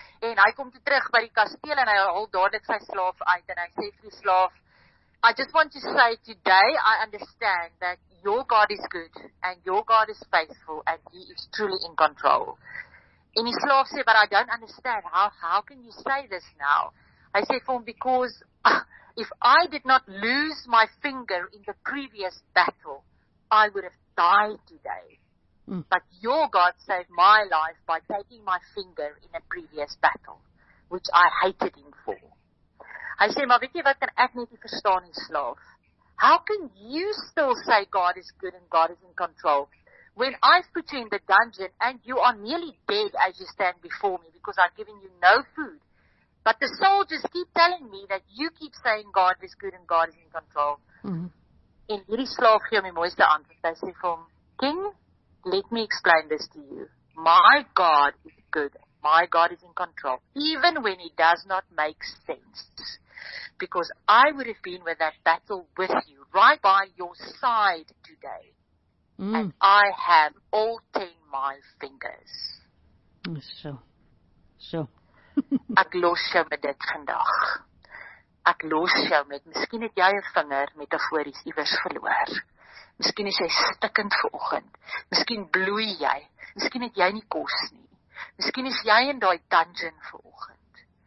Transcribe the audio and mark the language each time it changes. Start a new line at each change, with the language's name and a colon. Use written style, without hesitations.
Afrikaans: En hy kom toe terug by die kasteel en hy haal dadelik sy slaaf uit. En hy sê vir die slaaf,
English: "I just want to say today I understand that your God is good and your God is faithful and he is truly in control."
Afrikaans: En die slaaf sê,
English: "But I don't understand, how can you say this now?"
Afrikaans: Hy sê vir hom,
English: "Because if I did not lose my finger in the previous battle, I would have died today. But your God saved my life by taking my finger in a previous battle, which I hated him for."
Afrikaans: Hy sê, "Maar weet jy wat kan ek net nie verstaan nie, slaaf.
English: How can you still say God is good and God is in control when I've put you in the dungeon and you are nearly dead as you stand before me because I've given you no food. But the soldiers keep telling me that you keep saying God is good and God is in control."
Afrikaans: Mm-hmm. En hierdie slaaf gee hom die mooiste antwoord. Hy sê vir hom,
English: "King, let me explain this to you. My God is good. My God is in control. Even when it does not make sense. Because I would have been with that battle with you, right by your side today. And I have all 10 my fingers." So.
Afrikaans: Ek los jou met dit vandag. Ek los jou met, miskien het jy 'n vinger metafories iewers verloor. Miskien is jy stikkend vanoggend. Miskien bloei jy. Miskien het jy nie kos nie. Miskien is jy in daai dungeon vanoggend.